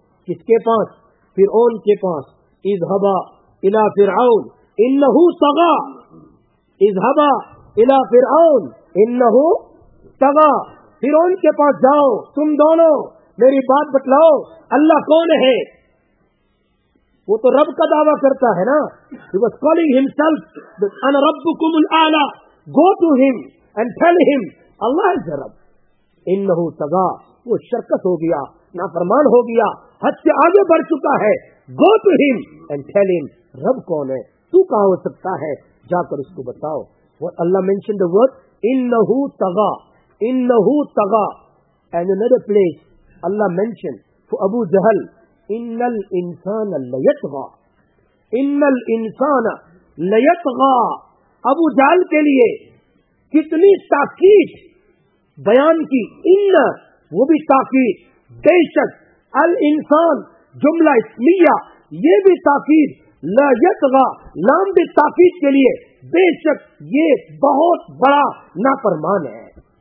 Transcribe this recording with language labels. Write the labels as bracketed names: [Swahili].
[Urdu] کس کے پاس؟ فرعون کے پاس. [Arabic] اذهبا الى فرعون انه طغى. اذهبا الى فرعون انه طغى. [Urdu] فرعون کے پاس جاؤ, تم دونوں میری بات بتلاؤ, اللہ کون ہے؟ وہ تو رب کا دعویٰ کرتا ہے نا. [English] He was calling himself [Arabic] ana rabbukum al-a'la. [English] Go to him and tell him Allah is the Rabb. [Arabic] انه طغى, [Urdu] وہ شرکت ہو گیا, نافرمان ہو گیا, حد سے آگے بڑھ چکا ہے. [English] Go to him and tell him [Urdu] رب کون ہے, تو کہاں ہو سکتا ہے, جا کر اس کو بتاؤ. [English] Allah mentioned the word [Arabic] انه طغى. انه طغى. [English] And another place Allah mentioned for Abu Jahl, [Arabic] ان الانسان ليطغى. ان الانسان ليطغى. [Urdu] ابو جہل کے لیے کتنی تاکید بیان کی, ان, وہ بھی تاکید, بے شک, الانسان جملہ اسمیہ یہ بھی تاکید, ليطغى لام بھی تاکید کے لیے, بے شک یہ بہت بڑا نافرمان ہے.